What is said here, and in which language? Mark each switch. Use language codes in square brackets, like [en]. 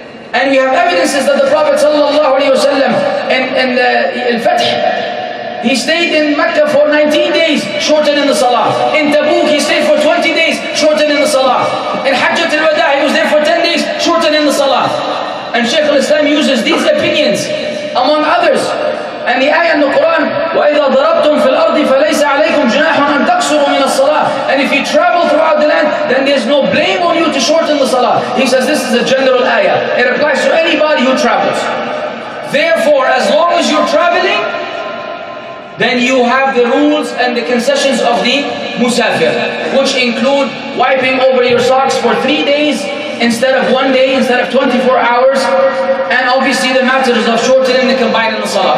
[en] And we have evidences that the Prophet ﷺ in Fath, he stayed in Mecca for 19 days, shortening the Salah. In Tabuk, he stayed for 20 days, shortening the Salah. In Hajjat al-Wada, he was there for 10 days, shortening the Salah. And Shaykh al-Islam uses these opinions, among others. And the ayah in the Quran, [ar] وَإِذَا ضَرَبْتُمْ فِي الْأَرْضِ فَلَيْسَ عَلَيْكُمْ جُنَاحٌ أَن تَقْصُرُوا مِنَ الصَّلَاةِ. [en] And if you travel throughout the land, then there's no blame on you to shorten the salah. He says this is a general ayah. It applies to anybody who travels. Therefore, as long as you're traveling, then you have the rules and the concessions of the musafir, which include wiping over your socks for 3 days instead of 1 day, instead of 24 hours, and obviously the matters of shortening the combining the salah.